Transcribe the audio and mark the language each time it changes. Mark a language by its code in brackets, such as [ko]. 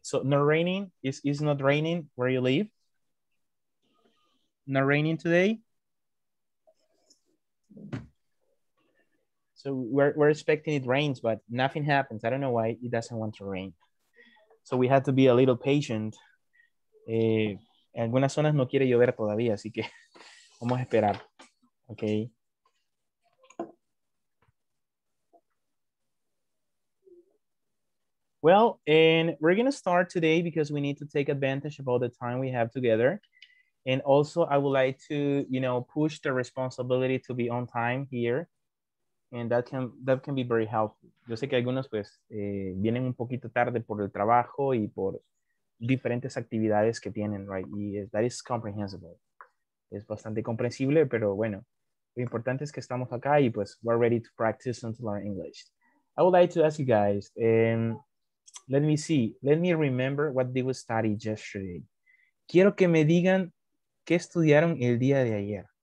[en] So not raining, is not raining where you live? Not raining today? So we're expecting it rains, but nothing happens. I don't know why it doesn't want to rain. So we have to be a little patient. [es] Algunas zonas no quiere llover todavía, así que vamos a esperar, okay? [en] Well, and we're going to start today because we need to take advantage of all the time we have together. And also, I would like to, you know, push the responsibility to be on time here. And that can be very helpful. [es] Yo sé que algunos, pues, vienen un poquito tarde por el trabajo y por diferentes actividades que tienen, right? Y [en] that is comprehensible. [es] Es bastante comprensible, pero bueno, lo importante es que estamos acá y, pues, [en] we're ready to practice and to learn English. I would like to ask you guys, let me see. Let me remember what did we study yesterday. [es] Quiero que me digan qué estudiaron el día de ayer.